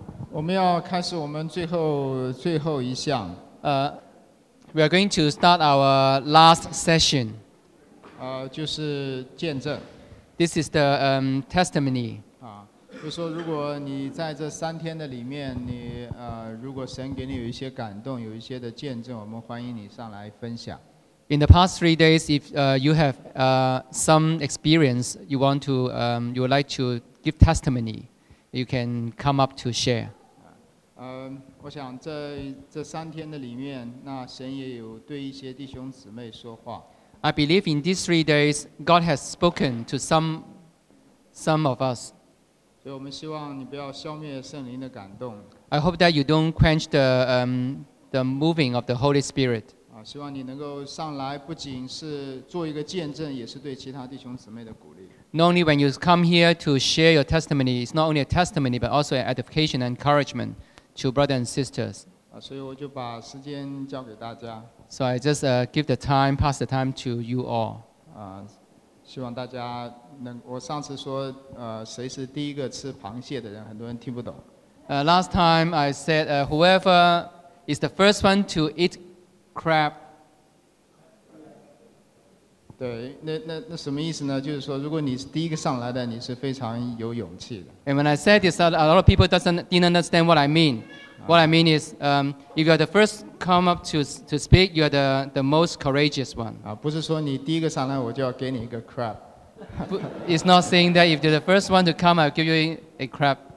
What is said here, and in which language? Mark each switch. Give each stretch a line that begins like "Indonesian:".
Chinese: 我们要开始我们最后一项。
English: We are going to start our last session。
Chinese: 就是见证。
English: This is the testimony。 啊，
Chinese: 就说如果你在这三天的里面，你如果神给你有一些感动，有一些的见证，我们欢迎你上来分享。
English: In the past 3 days, if you have some experience, you want to, you would like to give testimony, you can come up to share.
Chinese: 我想在这三天的里面，那神也有对一些弟兄姊妹说话。
English: I believe in these 3 days, God has spoken to some of us.
Chinese: 所以我们希望你不要消灭圣灵的感动。
English: I hope that you don't quench the moving of the Holy Spirit.
Chinese: 希望你能够上来，不仅是做一个见证，也是对其他弟兄姊妹的鼓励。
English: Not only when you come here to share your testimony, it's not only a testimony, but also an edification and encouragement to brothers and sisters.
Chinese: 所以我就把时间交给大家。
English: So I just give the time, pass the time to you all.
Chinese: 希望大家能，我上次说，谁是第一个吃螃蟹的人，很多人听不懂。
English: Last time I said, whoever is the first one to eat. Crab.
Chinese: 对，那什么意思呢？就是说，如果你是第一个上来的，你是非常有勇气的。
English: And when I said this, a lot of people didn't understand what I mean. What I mean is, if you are the first come up to speak, you are the most courageous one.
Chinese: 不是说你第一个上来，我就要给你一个 crab.
English: It's not saying that if you're the first one to come, I'll give you a crab.